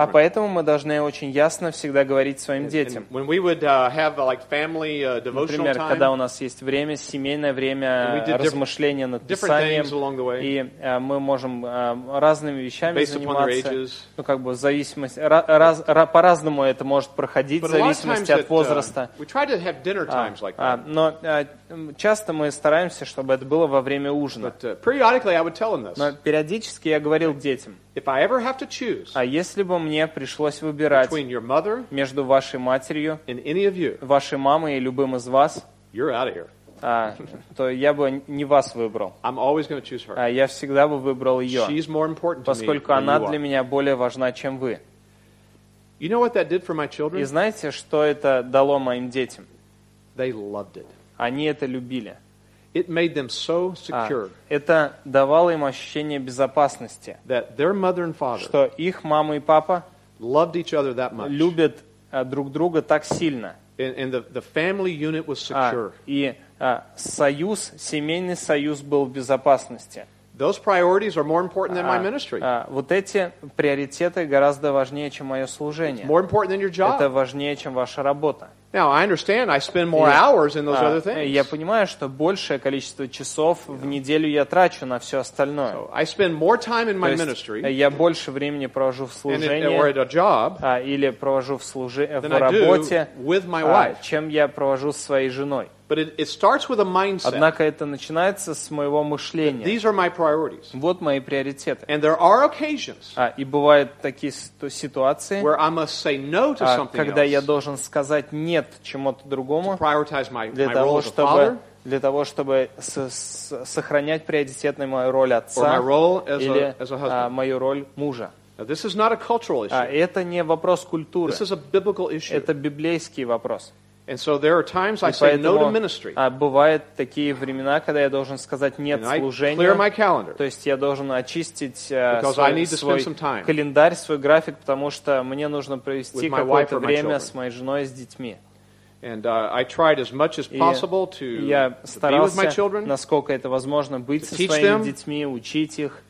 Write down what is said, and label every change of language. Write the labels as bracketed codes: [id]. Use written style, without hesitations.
[ru] А поэтому мы должны очень ясно всегда говорить своим детям. [en] When we would have like family devotional time. [ru] Например, когда у нас есть время, семейное время размышления над Писанием, и мы можем разными вещами заниматься. Ну как бы в зависимости по-разному это может проходить в зависимости от возраста. [en] We try to have dinner times like that. [ru] Но часто мы стараемся, чтобы это было во время ужина. [en] But periodically I would tell them this. [ru] Но периодически я говорил детям. [en] If I ever have to choose, [ru] а если бы мне пришлось выбирать [en] between your mother [ru] между вашей матерью, [en] and any of you, [ru] вашей мамой и любым из вас, [en] you're out of here. [ru] то я бы не вас выбрал. [en] I'm always going to choose her. [ru] Я всегда бы выбрал ее, [en] She's more important to [ru] поскольку [en] me [ru] она [en] than [ru] для [en] you [ru] меня [en] are. [ru] Более важна, чем вы. [en] You know what that did for my children? [ru] И знаете, что это дало моим детям? [en] They loved it. [ru] Они это любили. [en] It made them so secure. [ru] Это давало им ощущение безопасности. [en] That their mother and father, [ru] что их мама и папа, [en] loved each other that much. [ru] Любят друг друга так сильно. [en] And the family unit was secure. [ru] И союз, семейный союз был в безопасности. [en] Those priorities are more important than my ministry. [ru] Вот эти приоритеты гораздо важнее, чем мое служение. [en] It's more important than your job. [ru] Это важнее, чем ваша работа. [en] Now, I understand I spend more hours in those other things. [ru] Я понимаю, что большее количество часов в неделю я трачу на все остальное. [en] So I spend more time in my ministry. [ru] Я больше времени провожу в служении. [en] Or at a job. [ru] Или провожу в работе. [en] With my wife. [ru] Чем я провожу со своей женой. [en] But it starts with a mindset. [ru] Однако это начинается с моего мышления. [en] These are my priorities. [ru] Вот мои приоритеты. [en] And there are occasions. [ru] И бывают такие ситуации. [en] Where I must say no to something else. [ru] Когда я должен сказать нет чему-то другому. [en] To prioritize my role as a father. [ru] Для того, чтобы сохранять приоритетную мою роль отца. [en] Or my role as [ru] или, [en] a husband. [ru] Мою роль мужа. [en] Now, this is not a cultural issue. [ru] Это не вопрос культуры. [en] This is a biblical issue. [ru] Это библейский вопрос. [en] And so there are times I say no to ministry. [ru] Бывают такие времена, когда я должен сказать нет служению. [en] Clear my calendar. [ru] То есть я должен очистить свой календарь, свой график, потому что мне нужно провести какое-то время с моей женой, с детьми. [en] And I tried as much as possible to be with my children. [ru] Насколько это возможно быть со своими детьми, учить их.